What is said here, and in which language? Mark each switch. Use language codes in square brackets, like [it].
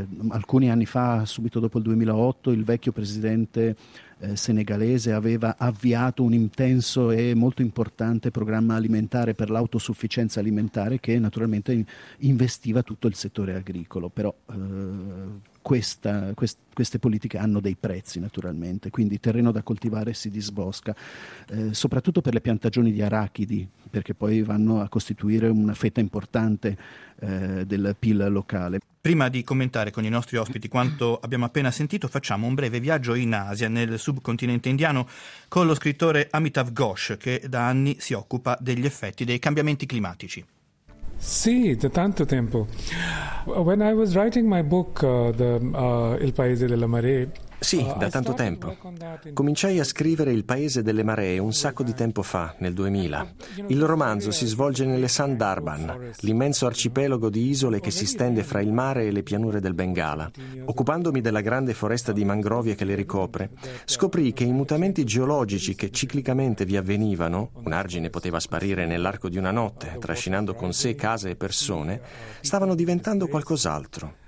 [it] Alcuni anni fa, subito dopo il 2008, il vecchio presidente senegalese aveva avviato un intenso e molto importante programma alimentare per l'autosufficienza alimentare, che naturalmente investiva tutto il settore agricolo, però queste politiche hanno dei prezzi, naturalmente, quindi terreno da coltivare si disbosca, soprattutto per le piantagioni di arachidi, perché poi vanno a costituire una fetta importante del PIL locale. Prima di commentare con i nostri ospiti quanto abbiamo appena sentito, facciamo un breve viaggio in Asia, nel subcontinente indiano, con lo scrittore Amitav Ghosh, che da anni si occupa degli effetti dei cambiamenti climatici. Sì, da tanto tempo. [en] When I was writing my book, Il Paese delle Maree. [it] Sì, da tanto tempo. Cominciai a scrivere Il Paese delle Maree un sacco di tempo fa, nel 2000. Il romanzo si svolge nelle Sundarban, l'immenso arcipelago di isole che si stende fra il mare e le pianure del Bengala. Occupandomi della grande foresta di mangrovie che le ricopre, scoprì che i mutamenti geologici che ciclicamente vi avvenivano, un argine poteva sparire nell'arco di una notte, trascinando con sé case e persone, stavano diventando qualcos'altro.